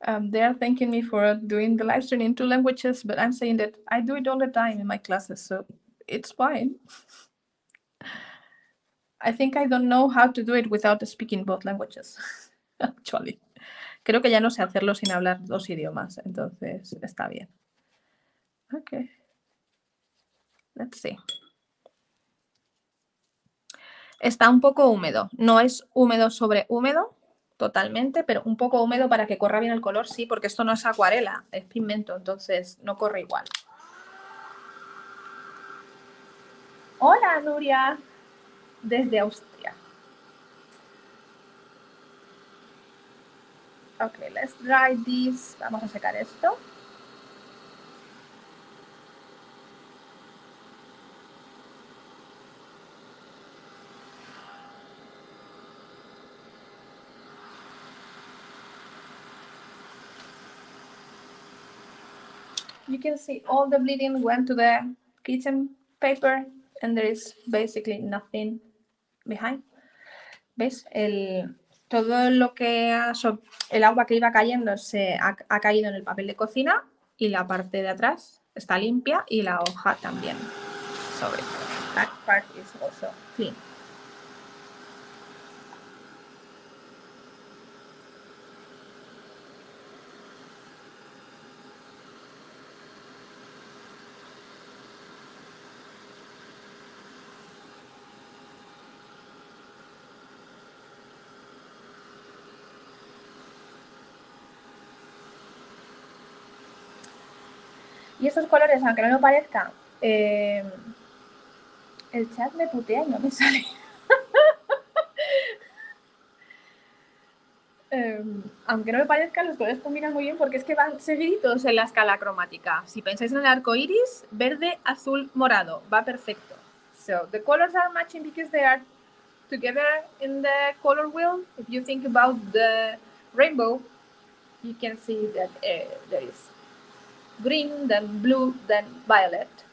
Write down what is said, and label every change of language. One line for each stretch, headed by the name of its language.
English: They are thanking me for doing the live stream in two languages, but I'm saying that I do it all the time in my classes, so it's fine. I think I don't know how to do it without speaking both languages, actually.
Spanish: Creo que ya no sé hacerlo sin hablar dos idiomas, entonces está bien.
English: Okay. Let's see.
Spanish: Está un poco húmedo. No es húmedo sobre húmedo totalmente, pero un poco húmedo para que corra bien el color, sí, porque esto no es acuarela, es pigmento, entonces no corre igual. Hola, Nuria, desde Austria.
English: Ok, let's dry this.
Spanish: Vamos a secar esto.
English: You can see all the bleeding went to the kitchen paper and there is basically nothing behind.
Spanish: ¿Ves? Todo lo que el agua que iba cayendo se ha caído en el papel de cocina y la parte de atrás está limpia y la hoja también.
English: So that part is also clean.
Spanish: Y esos colores, aunque no lo parezca, el chat me putea y no me sale. aunque no lo parezca, los colores combinan muy bien porque es que van seguiditos en la escala cromática. Si pensáis en el arco iris, verde, azul, morado, va perfecto.
English: So, the colors are matching because they are together in the color wheel. If you think about the rainbow, you can see that there is green, then blue, then violet.